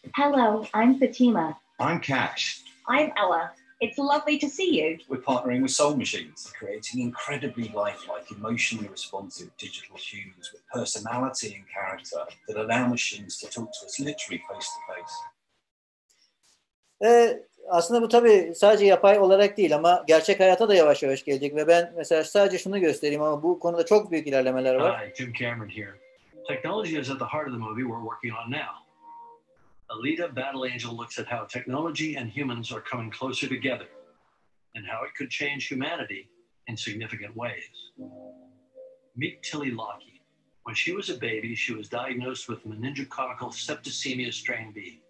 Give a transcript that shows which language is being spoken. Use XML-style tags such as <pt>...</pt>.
<en>Hello, I'm Fatima. I'm Cash. I'm Ella. It's lovely to see you. We're partnering with Soul Machines, creating incredibly lifelike, emotionally responsive digital humans with personality and character that allow machines to talk to us literally face to face.</en> <tr>Aslında bu tabii sadece yapay olarak değil ama gerçek hayata da yavaş yavaş gelecek ve ben mesela sadece şunu göstereyim ama bu konuda çok büyük ilerlemeler var.</tr> <en>Hi, Jim Cameron here. Technology is at the heart of the movie we're working on now. Alita: Battle Angel looks at how technology and humans are coming closer together and how it could change humanity in significant ways. Meet Tilly Lockie. When she was a baby, she was diagnosed with meningococcal septicemia strain B.</en>